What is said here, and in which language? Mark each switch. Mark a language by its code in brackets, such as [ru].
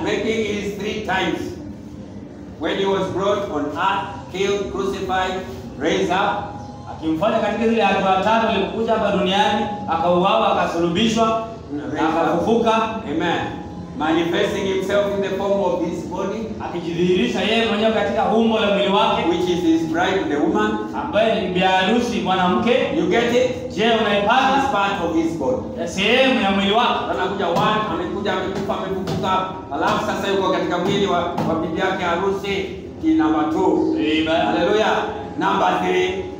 [en] Making his three times. When he was brought on earth, killed, crucified, raised up. [sw] Akimfanya katika zile hatua tano alikuja hapa duniani, akauawa, akasulubishwa na akafufuka. Amen. [en] Manifesting himself in the form of his body, [sw] akijidhihirisha yeye mwenyewe katika umbo la mwili wake, [en] which is his bride, the woman, [sw] ambaye ni bibi harusi mwanamke. [en] You get it? [sw] Je, unaipata? [en] Is part of his body, [sw] sehemu ya mwili wake. Anakuja one, amekuja amekufa, amefufuka, alafu sasa yuko katika mwili wa bibi yake harusi. Ki number 2. Amen. [en] Hallelujah. Number 3.